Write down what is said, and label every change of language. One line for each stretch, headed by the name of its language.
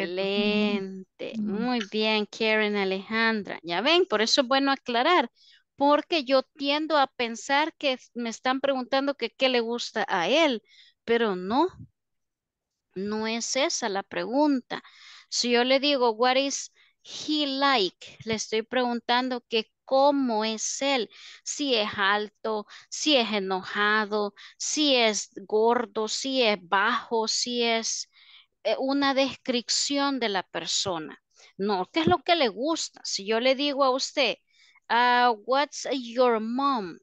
Spanish: Excelente. Muy bien, Karen Alejandra. Ya ven, por eso es bueno aclarar. Porque yo tiendo a pensar que me están preguntando que qué le gusta a él, pero no, no es esa la pregunta. Si yo le digo,
English: what is he like?
Spanish: Le estoy preguntando que cómo es él, si es alto, si es enojado, si es gordo, si es bajo, si es una descripción de la persona. No, ¿qué es lo que le gusta? Si yo le digo a usted,
English: what's your mom?